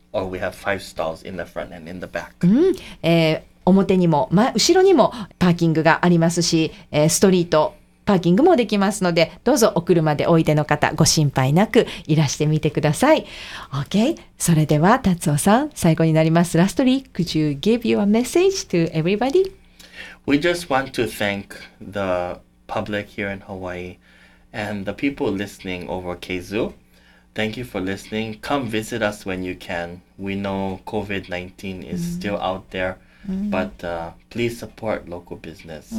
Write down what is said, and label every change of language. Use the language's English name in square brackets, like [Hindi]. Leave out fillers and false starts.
[English] or we have five stalls in the front and in the back. [Japanese] 表にも、ま、後ろにもパーキングがありますし、ストリートパーキングもできますので、どうぞお車でおいでの方、ご心配なくいらしてみてください。 [English] OK。 [Japanese] それでは、達夫さん、最後になります。 [English] ラストリー、could you give your message to everybody? We just want to thank the public here in Hawaii and the people listening over Keizu. Thank you for listening. Come visit us when you can. We know COVID-19 is still out there, but please support local business.